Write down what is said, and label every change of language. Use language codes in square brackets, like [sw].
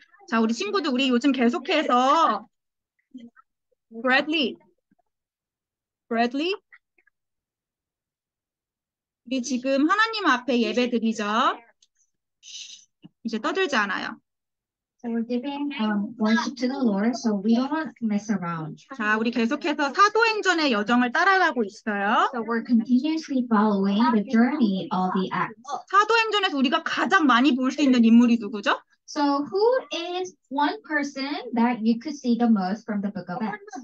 [ko] 자, 우리 친구들, 우리 요즘 계속해서 Bradley, 우리 지금 하나님 앞에 예배 드리죠. 이제 떠들지 않아요. [en] So we're giving worship to the Lord, so we don't want to mess around. [ko] 자, 우리 계속해서 사도행전의 여정을 따라가고 있어요. [en] So we're continuously following the journey of the Acts. [ko] 사도행전에서 우리가 가장 많이 볼 수 있는 인물이 누구죠? [en] So who is one person that you could see the most from the book of Acts?